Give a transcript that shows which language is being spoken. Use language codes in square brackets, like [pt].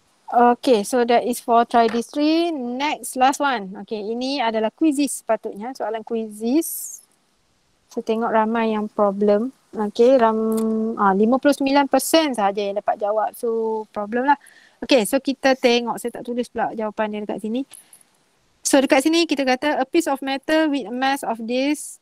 [en] Okay, so that is for try this three. Next, last one. [ms] Okay, ini adalah quizzes sepatutnya. Soalan quizzes. Saya tengok ramai yang problem. Okay, 59% sahaja yang dapat jawab. So, problem lah. Okay, so kita tengok. Saya tak tulis pula jawapan dia dekat sini. [en] So, [ms] dekat sini kita kata [en] a piece of metal with a mass of this.